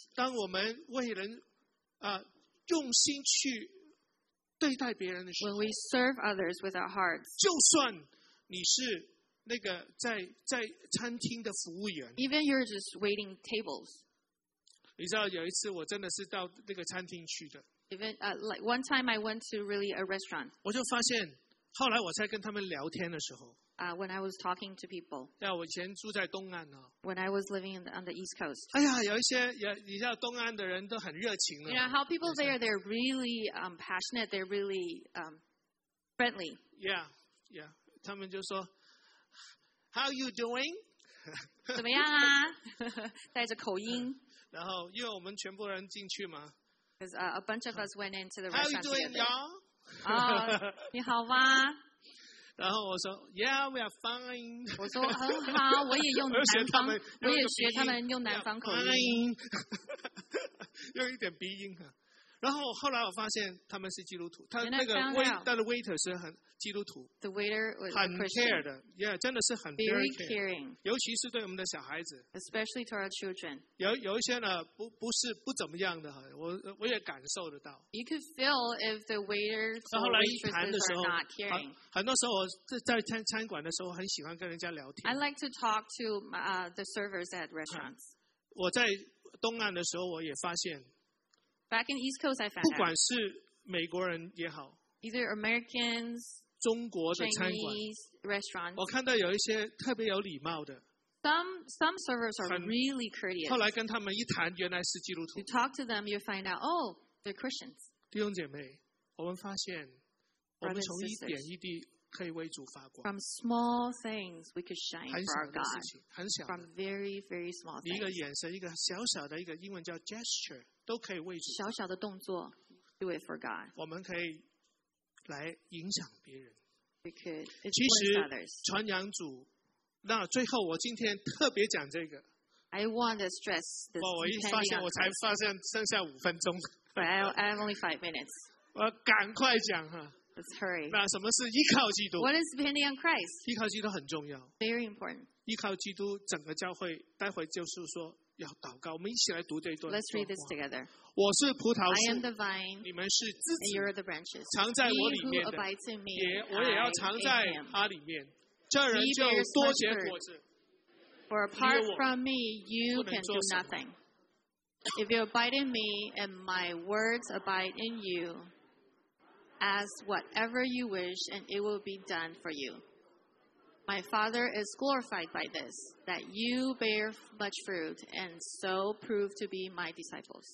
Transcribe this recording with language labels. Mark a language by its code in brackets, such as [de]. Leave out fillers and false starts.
[zh] 当我们为人用心去对待别人的时候 [en] When we serve others with our hearts. [zh] 就算你是那个在餐厅的服务员 [en] Even you're just waiting tables. [zh] 你知道有一次我真的是到那个餐厅去的。 [en] Like one time I went to really a restaurant. [zh] 我就发现，后来我在跟他们聊天的时候。 [en] When I was talking to people. [zh] 对，我以前住在东岸呢。 [en] When I was living on the East Coast. [zh] 哎呀，有一些你知道东岸的人都很热情的。 [en] You know how people there they're really passionate, they're really friendly. Yeah. [zh] 他们就说 [en] ，How you doing? [zh] 怎么样啊？带着口音。然后，因为我们全部人进去嘛 [en] ，Because a bunch of us went into the restaurant. How are you doing, y'all? [zh] 啊，你好吗？然后我说 [en] ，Yeah, we are fine. [zh] 我说很好，我也用南方，我也学他们用南方口音，用一点鼻音哈。然后后来我发现他们是基督徒，他那个 waiter 是很基督徒 [en] ，The waiter was [zh] 很 care 的 ， [en] Yeah， [zh] 真的是很 [en] very caring， [zh] 尤其是对我们的小孩子 [en] ，Especially to our children [zh] 有一些呢不是不怎么样的哈，我也感受得到。 [en] You could feel if the waiter or waitresses are not caring。 [zh] 很多时候我在餐馆的时候，很喜欢跟人家聊天。 [en] I like to talk to the servers at restaurants。 [zh] 我在东岸的时候，我也发现。 [en] Back in East Coast, I found out. [zh] 不管是美国人也好 [en] ，either Americans, [zh] 中国的餐馆 [en] ，Chinese restaurants. [zh] 我看到有一些特别有礼貌的。 [en] Some servers are really courteous. [zh] 后来跟他们一谈，原来是基督徒。 [en] You talk to them, you find out, oh, they're Christians. [zh] 弟兄姐妹，我们发现，我们从一点一滴可以为主发光。 [en] From small things, we could shine for our God. [zh] 很小的。 [en] From very, very small things. [zh] 一个眼神，一个小小的，一个英文叫 gesture。都可以为主小小的动作 [en] ，do it for God。 [zh] 我们可以来影响别人。 [en] We could. [zh] 其实传扬主，那最后我今天特别讲这个。 [en] I want to stress this. [zh] 我一发现，我才发现剩下五分钟。 [en] But I have only 5 minutes. [zh] 我赶快讲哈。 [en] Let's hurry. [zh] 那什么是依靠基督 [en] ？What is depending on Christ? [zh] 依靠基督很重要。 [en] Very important. [zh] 依靠基督，整个教会，待会就是说。要祷告，我们一起来读这一段。 [en] Let's read this together. [zh] 我是葡萄树 [en] ，I am the vine， [zh] 你们是枝子 [en] ，and you're the branches。 [zh] 藏在我里面的 [en] ，He who abides in me， [zh] 也我也要藏在他里面，这人就多结果子。 [en] For apart from me, you can do nothing. If you abide in me and my words abide in you, ask whatever you wish, and it will be done for you. My Father is glorified by this, that you bear much fruit, and so prove to be my disciples.